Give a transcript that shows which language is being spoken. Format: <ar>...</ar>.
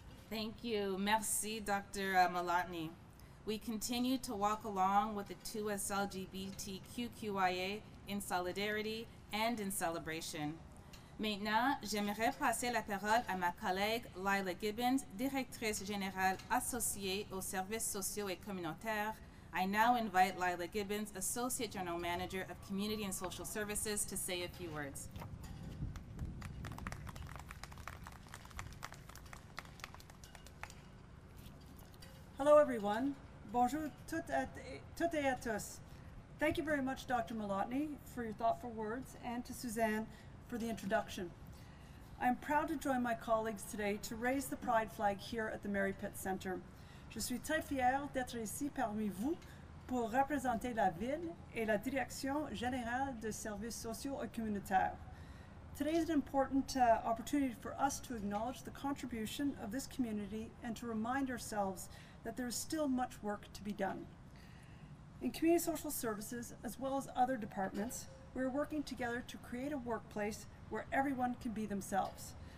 <en>Thank you, merci, Dr. Moloughney. We continue to walk along with the 2S LGBTQIA in solidarity and in celebration.</en> <fr>Maintenant, j'aimerais passer la parole à ma collègue Laila Gibbons, directrice générale associée aux services sociaux et communautaires.</fr> <en>I now invite Laila Gibbons, Associate General Manager of Community and Social Services, to say a few words. Hello, everyone.</en> <fr>Bonjour toutes et tous.</fr> <en>Thank you very much, Dr. Moloughney, for your thoughtful words, and to Suzanne for the introduction. I'm proud to join my colleagues today to raise the pride flag here at the Mary Pitt Centre.</en> <fr>Je suis très fière d'être ici parmi vous pour représenter la ville et la Direction générale de services sociaux et communautaires.</fr> <en>Today is an important opportunity for us to acknowledge the contribution of this community and to remind ourselves that there is still much work to be done. In community social services, as well as other departments, we're working together to create a workplace where everyone can be themselves.</en>